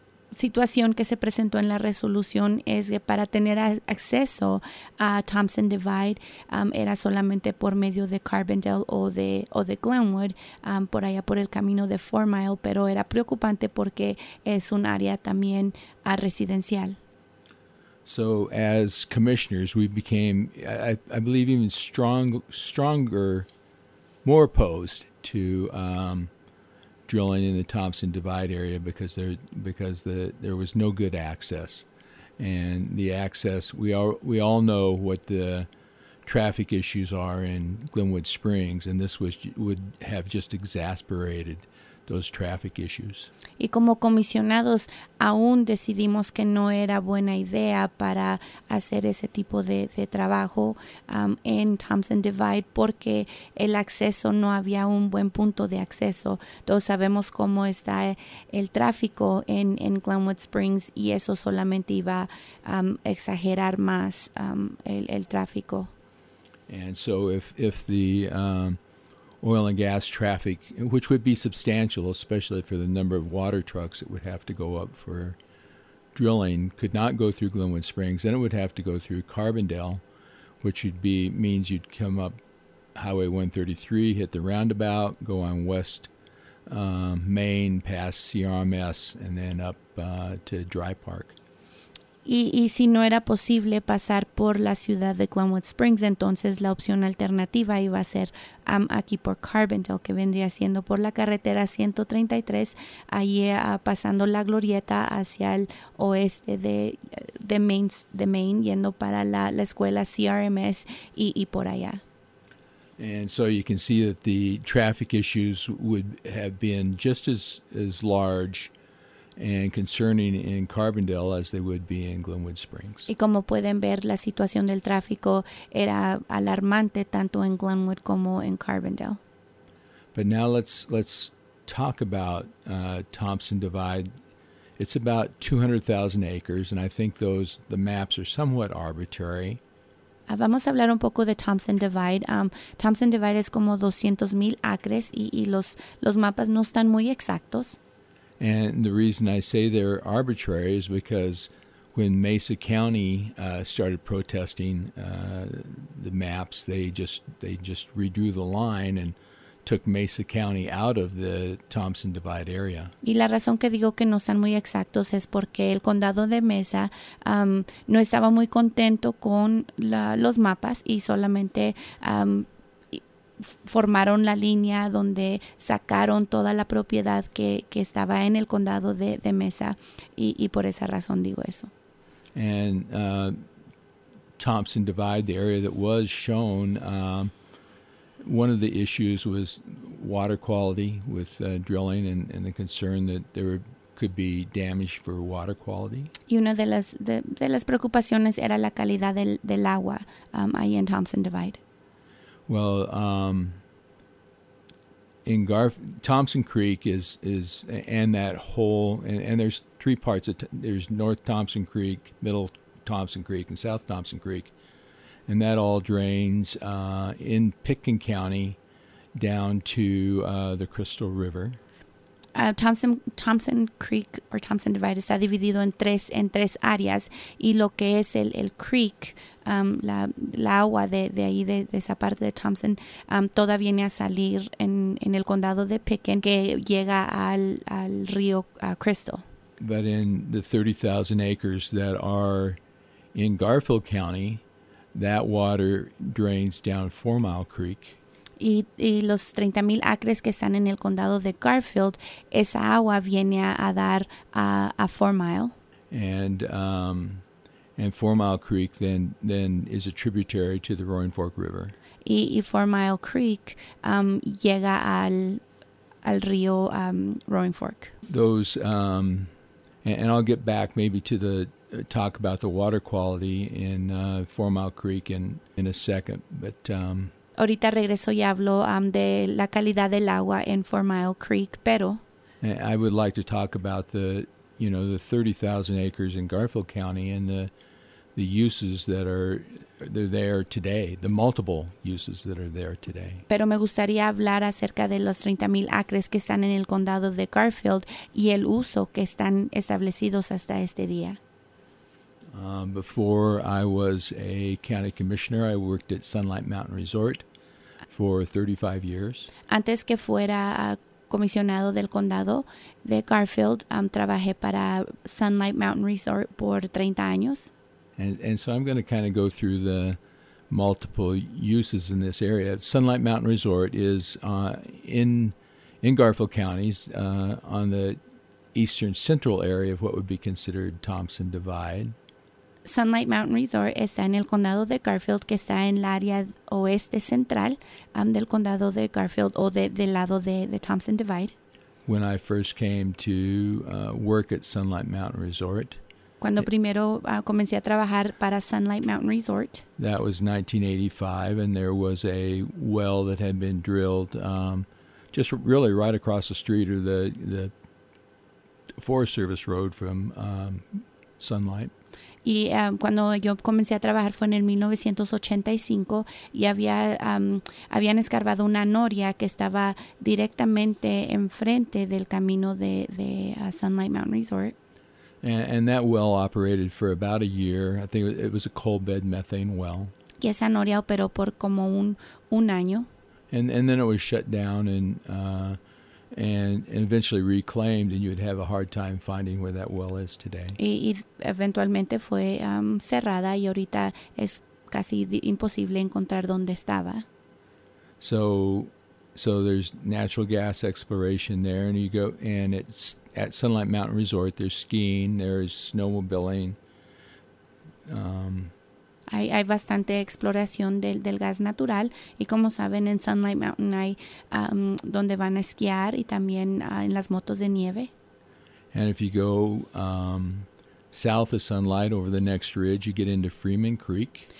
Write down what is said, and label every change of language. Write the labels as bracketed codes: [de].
[es] Situación que se presentó en la resolución es que para tener acceso a Thompson Divide era solamente por medio de Carbondale o de Glenwood por allá por el camino de 4 Mile, pero era preocupante porque es un área también residencial. [en] So as commissioners we became I believe even stronger more opposed to drilling in the Thompson Divide area because there was no good access, and the access we all know what the traffic issues are in Glenwood Springs, and this would have just exasperated those traffic issues. [es] Y como comisionados aún decidimos que no era buena idea para hacer ese tipo de trabajo en Thompson Divide porque el acceso no había un buen punto de acceso. Todos sabemos cómo está el tráfico en Glenwood Springs y eso solamente iba a exagerar más el tráfico. [en] And so if the oil and gas traffic, which would be substantial, especially for the number of water trucks that would have to go up for drilling, could not go through Glenwood Springs, then it would have to go through Carbondale, which would be means you'd come up Highway 133, hit the roundabout, go on West Main, past CRMS, and then up to Dry Park. [es] Y si no era posible pasar por la ciudad de Glenwood Springs, entonces la opción alternativa iba a ser aquí por Carbondale, que vendría siendo por la carretera 133, allí pasando la glorieta hacia el oeste de Main, yendo para la escuela CRMS y por allá. [en] And so you can see that the traffic issues would have been just as large and concerning in Carbondale as they would be in Glenwood Springs. [es] Y como pueden ver, la situación del tráfico era alarmante tanto en Glenwood como en Carbondale. [en] But now let's talk about Thompson Divide. It's about 200,000 acres, and I think the maps are somewhat arbitrary. [es] Vamos a hablar un poco de Thompson Divide. Thompson Divide es como 200,000 acres, y los mapas no están muy exactos. [en] And the reason I say they're arbitrary is because when Mesa County started protesting the maps, they just redrew the line and took Mesa County out of the Thompson Divide area. [es] Y la razón que digo que no están muy exactos es porque el condado de Mesa no estaba muy contento con los mapas y solamente formaron la línea donde sacaron toda la propiedad que estaba en el condado de Mesa y por esa razón digo eso. [en] And Thompson Divide, the area that was shown, one of the issues was water quality with drilling and the concern that there could be damage for water quality. [es] Y una de las preocupaciones era la calidad del agua ahí en Thompson Divide. [en] Well, in Thompson Creek is and that whole and there's three parts of there's North Thompson Creek, Middle Thompson Creek, and South Thompson Creek, and that all drains in Pitkin County down to the Crystal River. [es] Thompson Creek [en] or [es] Thompson Divide está dividido en tres áreas y lo que es el creek. La agua de ahí, de esa parte de Thompson, todavía viene a salir en el condado de Pickens que llega al río Crystal. [en] But in the 30,000 acres that are in Garfield County, that water drains down Four Mile Creek. [es] Y los 30,000 acres que están en el condado de Garfield, esa agua viene a dar a Four Mile. [en] And Four Mile Creek then is a tributary to the Roaring Fork River. [es] Y Four Mile Creek llega al río Roaring Fork. [en] Those and I'll get back maybe to the talk about the water quality in Four Mile Creek in a second, but [es] ahorita regreso y hablo de la calidad del agua en Four Mile Creek, pero [en] I would like to talk about the 30,000 acres in Garfield County and the uses that are they're there today, the multiple uses that are there today. [es] Pero me gustaría hablar acerca de los 30,000 acres que están en el condado de Garfield y el uso que están establecidos hasta este día. [en] Before I was a county commissioner, I worked at Sunlight Mountain Resort for 35 years. [es] Antes que fuera comisionado del condado de Garfield, trabajé para Sunlight Mountain Resort por 30 años. [en] And so I'm going to kind of go through the multiple uses in this area. Sunlight Mountain Resort is in Garfield County's on the eastern central area of what would be considered Thompson Divide. [es] Sunlight Mountain Resort está en el condado de Garfield, que está en el área oeste central del condado de Garfield o del lado de [en] the [es] Thompson Divide. [en] When I first came to work at Sunlight Mountain Resort, [es] cuando primero comencé a trabajar para Sunlight Mountain Resort, [en] that was 1985, and there was a well that had been drilled just really right across the street or the Forest Service Road from Sunlight. [es] Y cuando yo comencé a trabajar fue en el 1985 y habían escarbado una noria que estaba directamente enfrente del camino de Sunlight Mountain Resort. [en] And that well operated for about a year. I think it was a coal bed methane well. [es] Y esa noria operó por como un año. [en] And then it was shut down and eventually reclaimed, and you'd have a hard time finding where that well is today. [es] Y eventualmente fue cerrada y ahorita es casi imposible encontrar dónde estaba. [en] So there's natural gas exploration there, and you go, and it's at Sunlight Mountain Resort. There's skiing, there's snowmobiling. [es] Hay bastante exploración del gas natural, y como saben, en Sunlight Mountain hay donde van a esquiar y también en las motos de nieve. [en] And if you go south of Sunlight over the next ridge, you get into Freeman Creek.